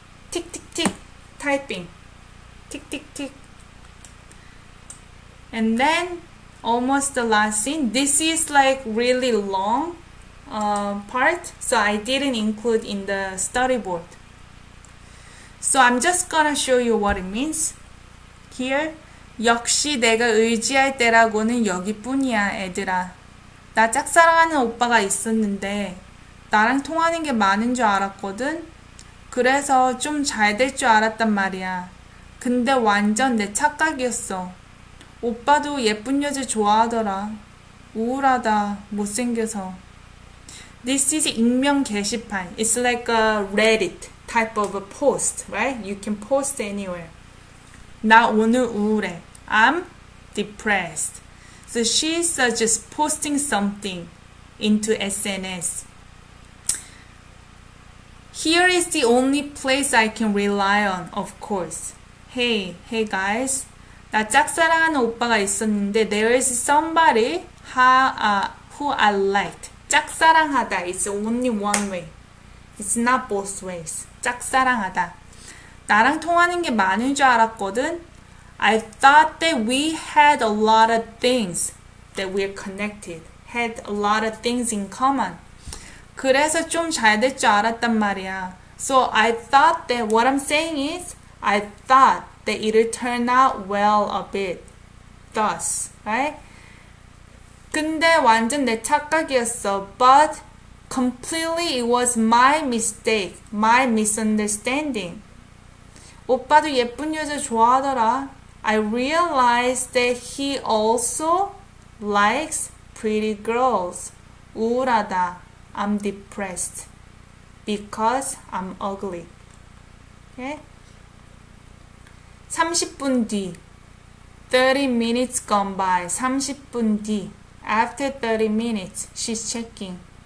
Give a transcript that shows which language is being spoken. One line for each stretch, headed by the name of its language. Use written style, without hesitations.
English: Tick tick tick typing. Tick tick tick. And then almost the last scene. This is like really long part, so I didn't include in the storyboard. So I'm just gonna show you what it means. Here,
Korean: 역시 내가 의지할 때라고는 여기뿐이야, 애들아. 나 짝사랑하는 오빠가 있었는데 나랑 통하는 게 많은 줄 알았거든. 그래서 좀 잘 될 줄 알았단 말이야. 근데 완전 내 착각이었어. 오빠도 예쁜 여자 좋아하더라. 우울하다, 못생겨서.
English: This is
Korean: 익명 게시판.
English: It's like a Reddit type of a post, right? You can post anywhere.
Korean: 나 오늘 우울해.
English: I'm depressed. So she's just posting something into SNS. Here is the only place I can rely on, of course. Hey guys.
Korean: 나 짝사랑하는 오빠가 있었는데
English: there is somebody who I liked.
Korean: 짝사랑하다.
English: It's only one way. It's not both ways. 짝사랑하다.
Korean: 나랑 통하는 게 많은 줄 알았거든.
English: I thought that we had a lot of things that we're connected. Had a lot of things in common.
Korean: 그래서 좀 잘 될 줄 알았단 말이야.
English: So I thought that what I'm saying is I thought that it'll turn out well a bit. Thus, right?
Korean: 근데 완전 내 착각이었어.
English: But completely it was my mistake. My misunderstanding.
Korean: 오빠도 예쁜 여자 좋아하더라.
English: I realized that he also likes pretty girls.
Korean: 우울하다.
English: I'm depressed. Because I'm ugly. Okay?
Korean: 30분 뒤,
English: 30 minutes gone by, 30분 뒤, after 30 minutes, she's checking.